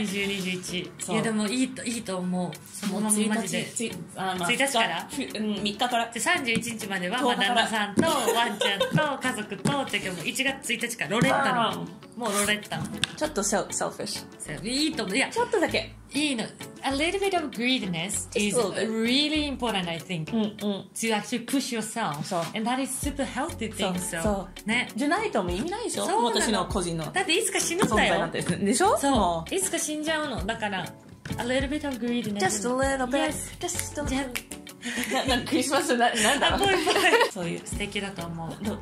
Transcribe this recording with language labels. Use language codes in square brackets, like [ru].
[ja] 2021、いやでもいいと思う、そのままマジで、1日、あ、まあ、1日から、うん、3日から、で31日までは、まあ、旦那さんとワンちゃんと家族とって、今日も1月1日からロレッタの、もうロレッタ、ちょっとセルフィッシュ、いいと思う、いやちょっとだけいいの、 [en] A little bit of greediness is really important, I think, to actually push yourself. So. And that is super healthy thing, so. So. [ja] ね。じゃないとも意味ないでしょ？そう、私の個人の。だっていつか死ぬんだよ。でしょ？そう。いつか死んじゃうの。だから、 [en] A little bit of greediness. Just a little bit. Yes. Just a little bit. [ja] なんかクリスマスな、なんだろう。そういう、素敵だと思う。